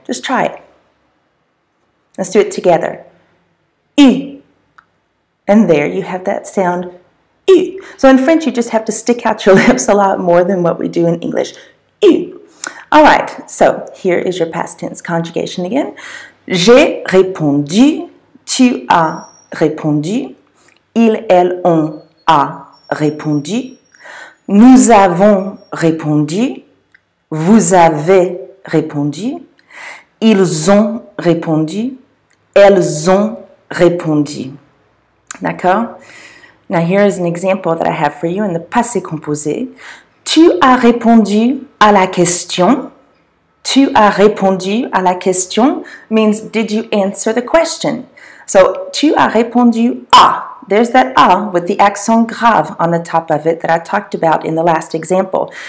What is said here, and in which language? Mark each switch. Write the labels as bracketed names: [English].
[English] Just try it. Let's do it together. E. And there you have that sound. So in French, you just have to stick out your lips a lot more than what we do in English. All right, so here is your past tense conjugation again. [French] J'ai répondu, tu as répondu, ils, elles, on a répondu, nous avons répondu, vous avez répondu, ils ont répondu, elles ont répondu. D'accord? [English] Now here is an example that I have for you in the passé composé. [French] Tu as répondu à la question. Tu as répondu à la question [English] means did you answer the question? So [French] tu as répondu à. [English] There's that à with the accent grave on the top of it that I talked about in the last example.